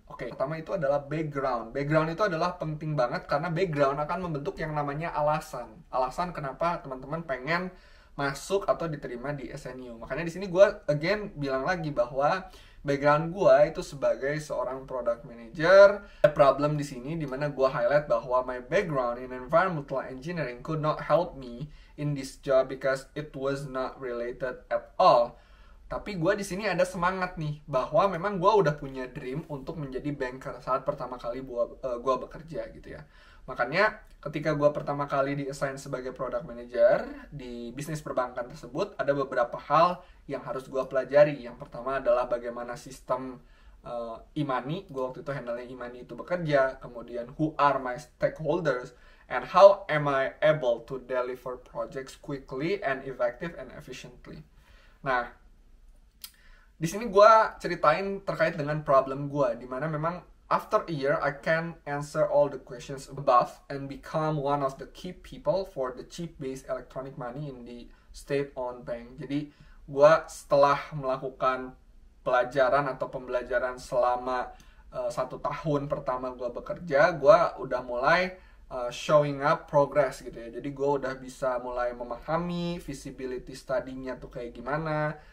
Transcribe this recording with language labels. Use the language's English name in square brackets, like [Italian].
[Indonesian] Oke, pertama itu adalah background. Background itu adalah penting banget karena background akan membentuk yang namanya alasan. Alasan kenapa teman-teman pengen masuk atau diterima di SNU. Makanya di sini gue again bilang lagi bahwa background gue itu sebagai seorang product manager. [English] The problem [Indonesian] di sini di mana gue highlight bahwa [English] my background in environmental engineering could not help me in this job because it was not related at all. [Indonesian] Tapi gue di sini ada semangat nih bahwa memang gue udah punya dream untuk menjadi banker saat pertama kali gue bekerja gitu ya. Makanya ketika gue pertama kali diassign sebagai product manager di bisnis perbankan tersebut, ada beberapa hal yang harus gue pelajari. Yang pertama adalah bagaimana sistem e-money, gue waktu itu handle e-money itu bekerja. Kemudian, [English] who are my stakeholders and how am I able to deliver projects quickly and effective and efficiently. [Indonesian] Nah, di sini gue ceritain terkait dengan problem gue, di mana memang [English] after a year, I can answer all the questions above and become one of the key people for the chip-based electronic money in the state-owned bank. [Indonesian] Jadi, gue setelah melakukan pelajaran atau pembelajaran selama 1 tahun pertama gue bekerja, gue udah mulai [English] showing up progress [Indonesian] gitu ya. Jadi, gue udah bisa mulai memahami feasibility study-nya tuh kayak gimana.